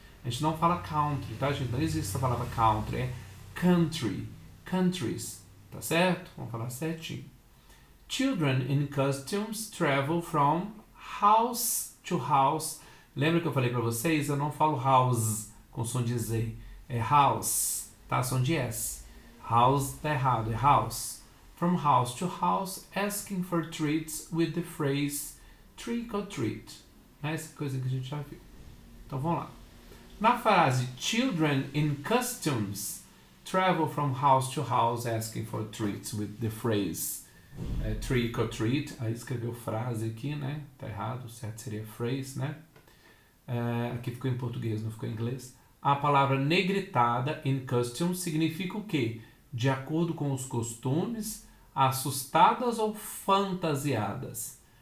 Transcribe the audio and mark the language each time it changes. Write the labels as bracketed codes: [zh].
[pt] A gente não fala country, tá, gente? Não existe a palavra country, é country, countries, tá certo? Vamos falar certinho. [en] Children in costumes travel from house to house. [pt] Lembra que eu falei para vocês? Eu não falo house com som de Z. É house, tá? Som de S. House tá errado, é house. [en] From house to house, asking for treats with the phrase trick or treat. [pt] É essa coisa que a gente já viu. Então vamos lá. Na frase [en] children in costumes travel from house to house asking for treats with the phrase. Trick or treat, [pt] aí escreveu frase aqui, né? Tá errado, certo seria phrase, né? Aqui ficou em português, não ficou em inglês. A palavra negritada in costume significa o quê? De acordo com os costumes, assustadas ou fantasiadas?